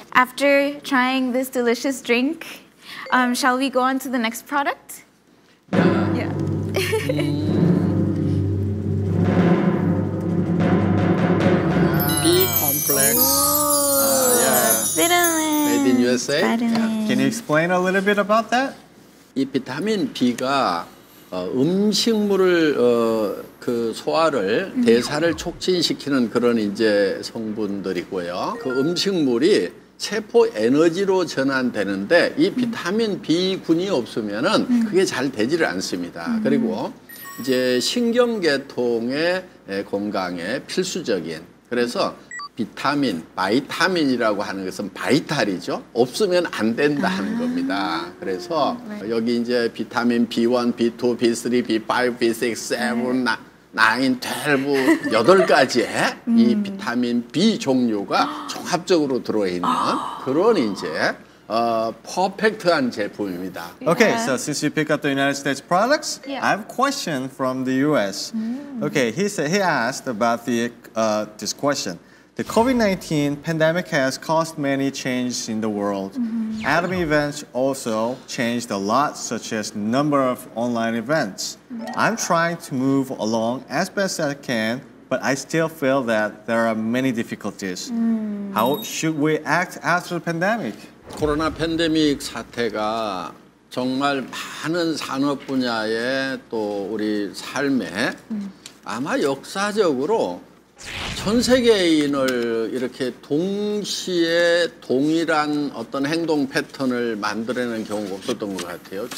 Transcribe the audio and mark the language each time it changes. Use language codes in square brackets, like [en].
[en] After trying this delicious drink, shall we go on to the next product? Yeah. Ah, complex. Made in USA. Yeah. Can you explain a little bit about that? [ko] 이 비타민 B가 음식물을 그 소화를 대사를 촉진시키는 그런 이제 성분들이고요. 그 음식물이 세포 에너지로 전환되는데 이 비타민 B군이 없으면은 그게 잘 되지를 않습니다. 그리고 이제 신경계통의 건강에 필수적인 그래서 비타민, 바이타민이라고 하는 것은 바이탈이죠. 없으면 안 된다 하는 겁니다. 그래서 여기 이제 비타민 B1, B2, B3, B5, B6, 7, 9, 12, 8가지의 이 비타민 B 종류가 종합적으로 들어있는 그런 이제 퍼펙트한 제품입니다. [en] Okay, so since you pick up the United States products, I have a question from the US. Okay, he asked about this question. The COVID-19 pandemic has caused many changes in the world. Mm-hmm. Atom events also changed a lot, such as number of online events. Mm-hmm. I'm trying to move along as best as I can, but I still feel that there are many difficulties. Mm. How should we act after the pandemic? [ko] 코로나 팬데믹 사태가 정말 많은 산업 분야에 또 우리 삶에 아마 역사적으로 전 세계인을 이렇게 동시에 동일한 어떤 행동 패턴을 만들어내는 경우가 없었던 것 같아요.